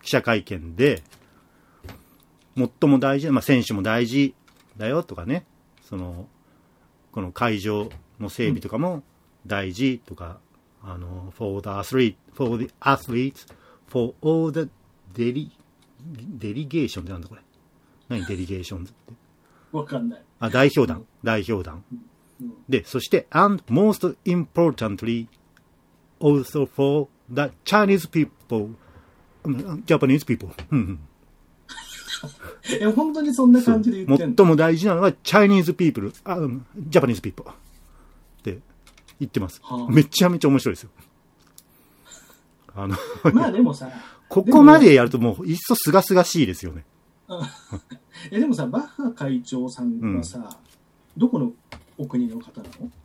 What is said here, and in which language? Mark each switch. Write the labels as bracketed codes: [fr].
[ja] 記者会見で、最も大事な、まあ、選手も大事だよとかね、その、この会場の整備とかも大事とか、うん、 [en] for the athletes, for the athletes, for all the delegation [ja] ってなんだこれ。何デリゲーションズって。わかんない。あ、代表団。うん、代表団、うん。で、そして、 [en] and most importantly, also for the Chinese people, Japanese people. [ja] 本当にそんな感じで言ってんの？最も大事なのは [en] Chinese people, Japanese people. [ja] って言ってます、はあ。めちゃめちゃ面白いですよ。まあでもさ。ここまでやるともう、いっそすがすがしいですよね。えでもさ、バッハ会長さんはさ、うん、どこのお国の方なの？